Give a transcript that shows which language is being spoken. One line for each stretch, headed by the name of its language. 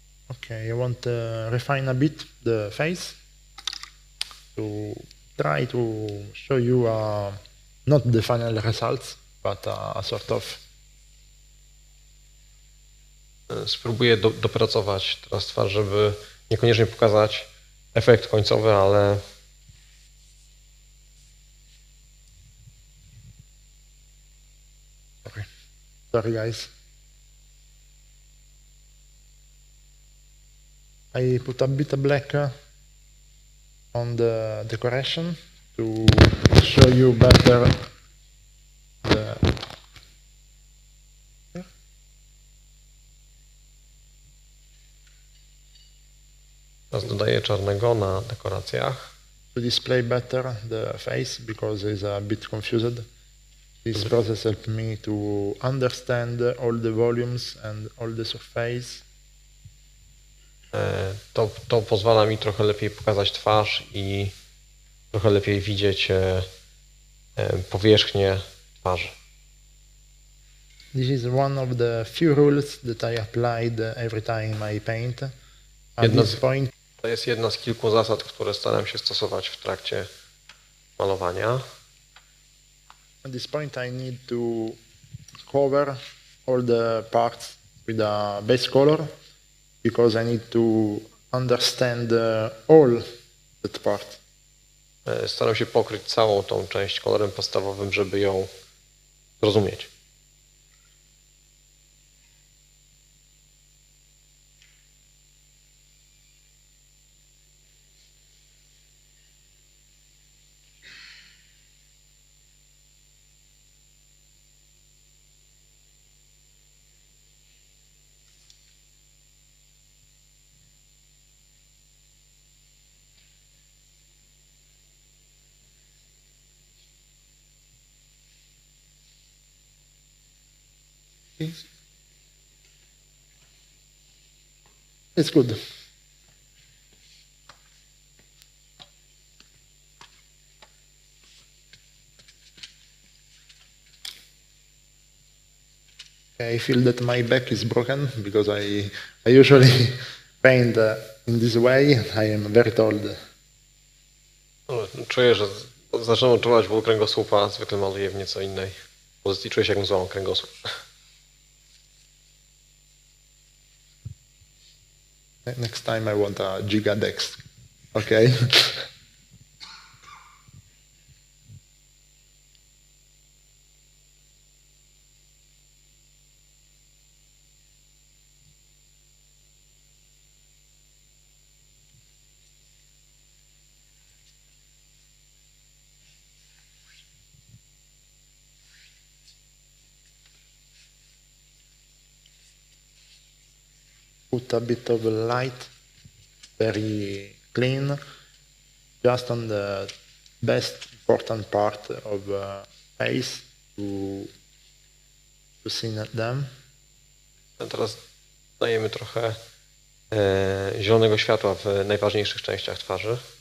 English: Okay, I want to refine a bit the face to try to show you not the final results, but a sort of.
Polish: Spróbuję dopracować teraz twarz, żeby niekoniecznie pokazać efekt końcowy, ale
English: sorry guys. I put a bit of black on the decoration to show you better the.
Polish: Teraz dodaję czarnego na dekoracjach.
English: To display better the face because it's a bit confused. This process helped me to understand all the volumes and all the surface.
Polish: To pozwala mi trochę lepiej pokazać twarz i trochę lepiej widzieć powierzchnię twarzy.
English: This is one of the few rules that I applied every time I paint.
Polish: To jest jedna z kilku zasad, które staram się stosować w trakcie malowania.
English: At this point I need to cover all the parts with a base color because I need to understand all that part.
Polish: Staram się pokryć całą tą część kolorem podstawowym, żeby ją zrozumieć.
English: It's good. Okay. I feel that my back is broken because I usually paint in this way. I am very tall.
Polish: Czuję, że zaczynam odczuwać ból kręgosłupa, zwykle maluję w nieco innej pozycji. Czuję się, jakbym złamał kręgosłup.
English: Next time I want a giga dex. Okay. Put a bit of light, very clean, just on the best important part of the face to see them.
Polish: A teraz dajemy trochę zielonego światła w najważniejszych częściach twarzy.